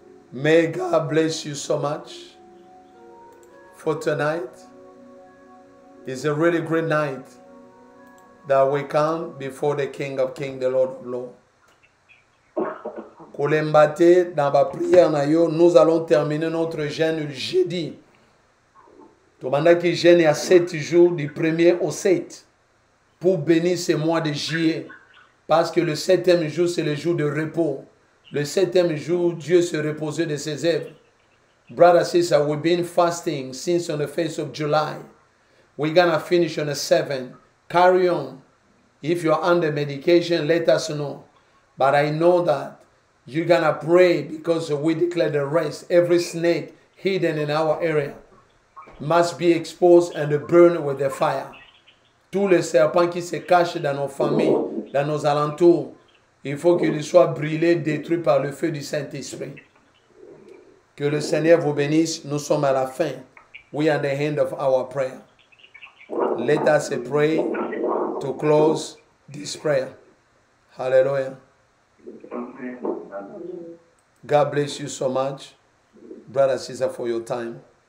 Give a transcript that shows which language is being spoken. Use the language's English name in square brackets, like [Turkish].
[English] May God bless you so much for tonight. It's a really great night that we come before the King of Kings, the Lord of Lords. [Lingala] Kolembate [French] dans ma prière [Lingala] na yo, [French] nous allons terminer notre jeûne le jeudi. [Lingala] Tomanda ki [French] jeûne à 7 jours du 1er au 7 pour bénir ce mois de juillet, parce que le 7e jour c'est le jour de repos. Le 7e jour Dieu se reposait de ses œuvres. [English] Brother, sister, we've been fasting since on the 1st of July. We're gonna finish on the 7th. Carry on. If you are under medication, let us know. But I know that you're going to pray because we declare the rest. Every snake hidden in our area must be exposed and burned with the fire. [French] Tous les serpents qui se cachent dans nos familles, dans nos alentours, il faut qu'ils soient brûlés, détruits par le feu du Saint-Esprit. Que le Seigneur vous bénisse. Nous sommes à la fin. [English] We are at the end of our prayer. Let us pray to close this prayer. Hallelujah. God bless you so much, brother, sister, for your time.